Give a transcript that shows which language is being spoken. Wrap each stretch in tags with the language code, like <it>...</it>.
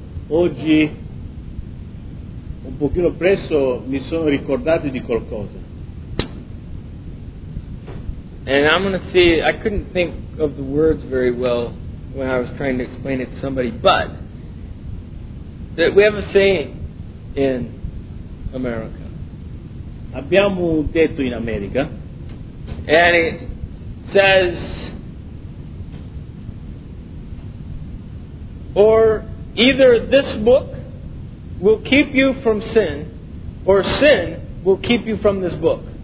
<it>Oggi, un pochino presto, mi sono ricordato di qualcosa.</it> <en>And I'm going to see, I couldn't think of the words very well when I was trying to explain it to somebody, but that we have a saying in America.</en> <it>Abbiamo un detto in America.</it> <en>And it says, or either this book will keep you from sin, or sin will keep you from this book.</en>